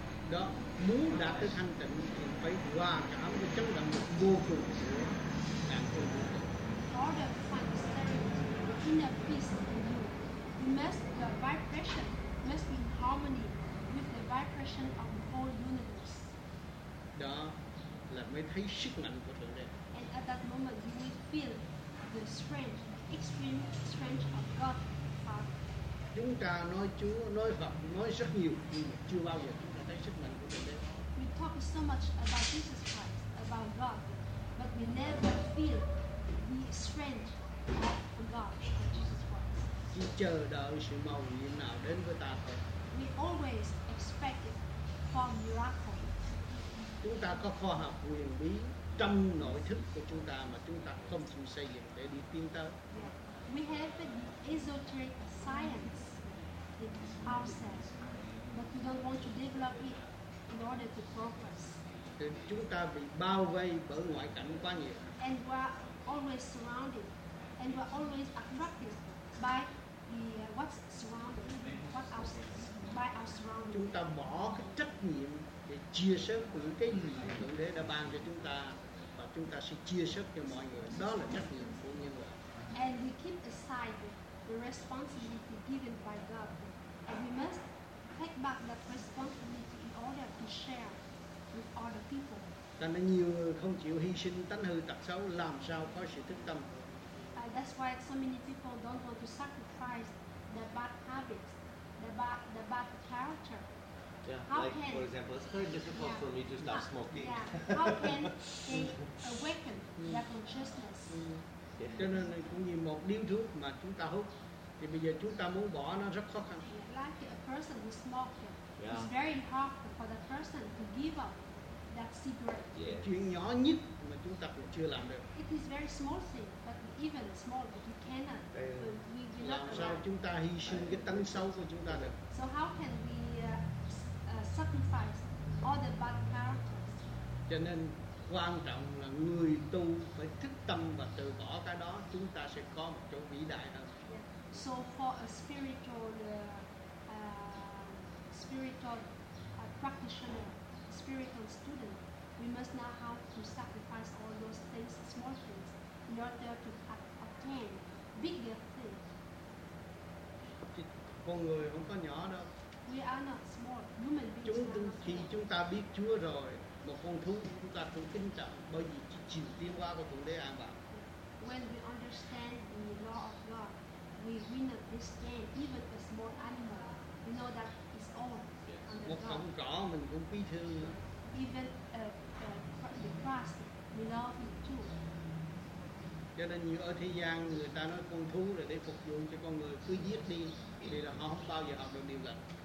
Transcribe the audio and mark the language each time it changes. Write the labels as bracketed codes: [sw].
[vi] Đó, muốn đạt cái thanh tịnh thì phải hòa cảm với chấn động lực vô cùng của ngàn quân vũ trụ. [en] Order to find the spirit, the inner peace in you, you must, the vibration must be in harmony with the vibration of the whole universe. [vi] Đó là mới thấy sức mạnh của Thượng Đế. [en] And at that moment you will feel the strength, extreme strength of God. [vi] Chúng ta nói Chúa, nói Phật, nói rất nhiều nhưng chưa bao giờ chúng ta thấy sức mạnh của Thượng Đế. [en] We talk so much about Jesus Christ, about God, but we never feel the strength of God, of Jesus Christ. [vi] Chỉ chờ đợi sự màu nhiệm nào đến với ta thôi. [en] We always expect it from miracle. [vi] Chúng ta có khoa học huyền bí trong nội thức của chúng ta mà chúng ta không chịu xây dựng để đi tiến tới. [en] We have the esoteric science in ourselves, but we don't want to develop it in order to progress. [vi] Thì chúng ta bị bao vây bởi ngoại cảnh quá nhiều. [en] And always surrounded, and we're always attracted by the what's surrounding, what else, by our surroundings. [vi] Chúng ta bỏ cái trách nhiệm để chia sẻ những cái gì Thượng Đế đã ban cho chúng ta, và chúng ta sẽ chia sẻ cho mọi người. Đó là trách nhiệm của nhân loại. [en] And we keep aside the responsibility given by God, and we must take back that responsibility in order to share with other people. [vi] Cho nên nhiều người không chịu hy sinh tánh hư tật xấu, làm sao có sự thức tâm. [en] That's why so many people don't want to sacrifice the bad habits, the bad character. Yeah, how like can, for example, it's very difficult for me to stop smoking. Yeah. How can they awaken their consciousness? [vi] Cho nên cũng như một điếu thuốc mà chúng ta hút, thì bây giờ chúng ta muốn bỏ nó rất khó khăn. [en] Like a person who smoked, it's very hard for the person to give up that cigarette. Yes. [vi] Chuyện nhỏ nhất mà chúng ta cũng chưa làm được. [en] It is very small thing, but even small, but you cannot. [vi] Làm sao chúng ta hy sinh cái tánh xấu của chúng ta được? [en] So how can we sacrifice all the bad characters? [vi] Cho nên quan trọng là người tu phải thức tâm và từ bỏ cái đó, chúng ta sẽ có một chỗ vĩ đại hơn. [en] So for a spiritual practitioner, we must know how to sacrifice all those things, small things, in order to obtain bigger things. [vi] Con người không có nhỏ đâu. [en] We are not small. Human beings [vi] chúng, [en] are not small. [vi] Khi chúng ta biết Chúa rồi, một con thú chúng ta cũng kính trọng, bởi vì chiều tiến hóa của Thượng Đế an bảo. [en] When we understand the law of God, we win this game, even a small animal, we know that it's all under [vi] God. Một cọng cỏ mình cũng quý thương. [en] Even the grass, we love it too. [vi] Cho nên như ở thế gian người ta nói con thú là để phục vụ cho con người, cứ giết đi thì là họ không bao giờ học được điều lành.